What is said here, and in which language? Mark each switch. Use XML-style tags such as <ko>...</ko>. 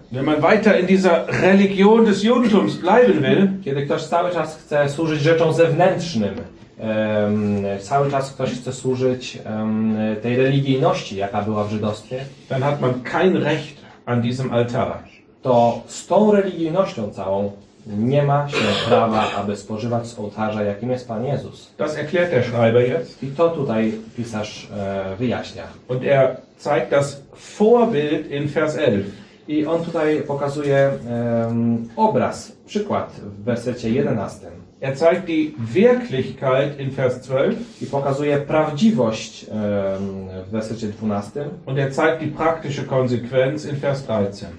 <de>Wenn man weiter in dieser Religion des Judentums bleiben will,</de> <pl>kiedy ktoś cały czas chce służyć rzeczom zewnętrznym, cały czas ktoś chce służyć tej religijności, jaka była w żydostwie,</pl> <de>dann hat man kein Recht an diesem Altar.</de> <pl>to z tą religijnością całą nie ma się prawa, aby spożywać z ołtarza, jakim jest Pan Jezus.</pl> <de>Das erklärt der Schreiber jetzt.</de> <pl>I to tutaj pisarz wyjaśnia.</pl> <de>Und er zeigt das Vorbild in Vers 11.</de> <pl>I on tutaj pokazuje obraz, przykład w wersecie 11.</pl> <de>Er zeigt die Wirklichkeit in Vers 12.</de> <pl>I pokazuje prawdziwość w wersecie 12.</pl> <de>Und er zeigt die praktische Konsequenz in Vers 13.</de>